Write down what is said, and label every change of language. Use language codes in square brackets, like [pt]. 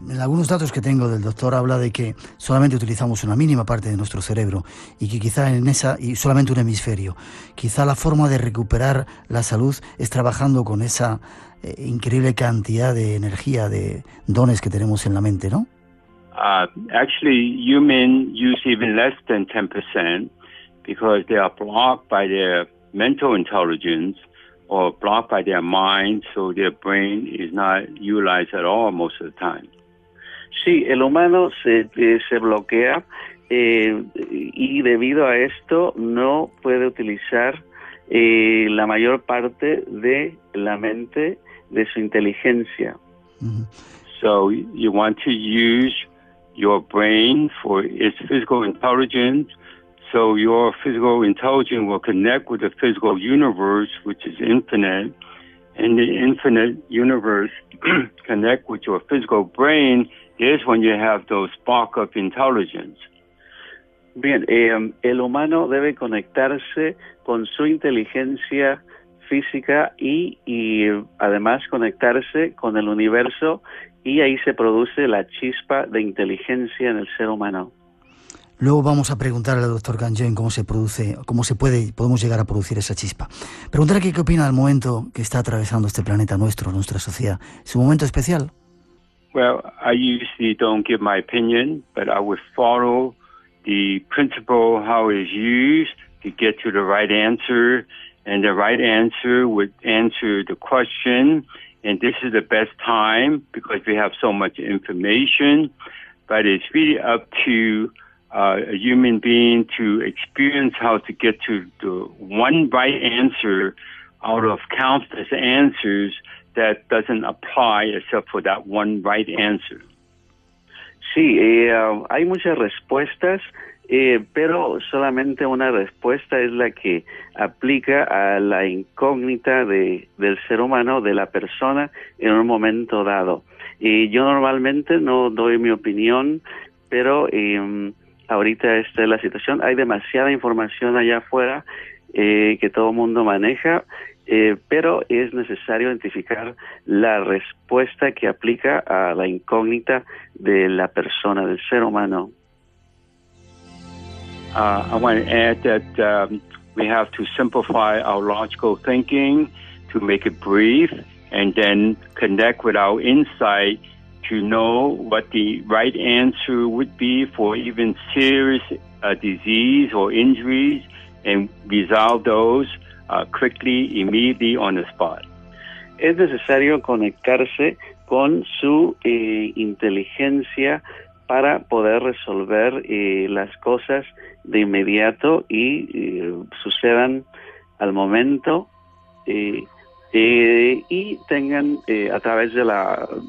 [es] En algunos datos que tengo del doctor habla de que solamente utilizamos una mínima parte de nuestro cerebro y que quizá en esa, y solamente un hemisferio, quizá la forma de recuperar la salud es trabajando con esa increíble cantidad de energía, de dones que tenemos en la mente, ¿no? [en] Actually, humans use even less than 10% because they are blocked by their mental intelligence or blocked by their mind, so their brain is not utilized at all most of the time. [es] Sí, el humano se bloquea y debido a esto no puede utilizar la mayor parte de la mente, de su inteligencia. Mm-hmm. [en] So you want to use your brain for its physical intelligence, so your physical intelligence will connect with the physical universe, which is infinite, and the infinite universe connect with your physical brain is when you have those spark of intelligence. [es] Bien, el humano debe conectarse con su inteligencia física y además conectarse con el universo. Y ahí se produce la chispa de inteligencia en el ser humano. Luego vamos a preguntarle al doctor Kangen cómo se produce, cómo se puede, podemos llegar a producir esa chispa. Preguntarle qué opina del momento que está atravesando este planeta nuestro, nuestra sociedad. ¿Es un momento especial? [en] Well, I usually don't give my opinion, but I would follow the principle how it's used to get to the right answer, and the right answer would answer the question. And this is the best time because we have so much information, but it's really up to a human being to experience how to get to the one right answer out of countless answers that doesn't apply except for that one right answer. [es] Sí, hay muchas respuestas, pero solamente una respuesta es la que aplica a la incógnita del ser humano, de la persona, en un momento dado. Y yo normalmente no doy mi opinión, pero ahorita esta es la situación. Hay demasiada información allá afuera que todo mundo maneja, pero es necesario identificar la respuesta que aplica a la incógnita de la persona, del ser humano. [en] I want to add that we have to simplify our logical thinking to make it brief and then connect with our insight to know what the right answer would be for even serious disease or injuries and resolve those quickly, immediately, on the spot. [es] Es necesario conectarse con su inteligencia para poder resolver las cosas de inmediato y sucedan al momento y tengan a través de la